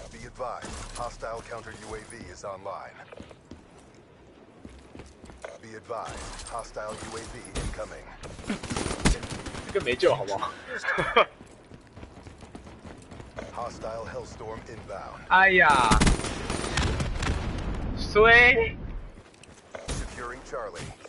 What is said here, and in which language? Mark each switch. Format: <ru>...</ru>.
<zh>射不到，好奇怪哦！我一直还是抓，有时候还是抓不到这把枪的感觉。我记得那天好像已经快要抓到了啊。</zh> <en>Hostile UAV above. Securing Alpha. Be advised, hostile counter UAV is online. Be advised, hostile UAV incoming.</en> <zh>这个没救，好不好？</zh> <en>Hostile hellstorm inbound.</en> <zh>哎呀，衰。</zh> <en>Securing Charlie.</en>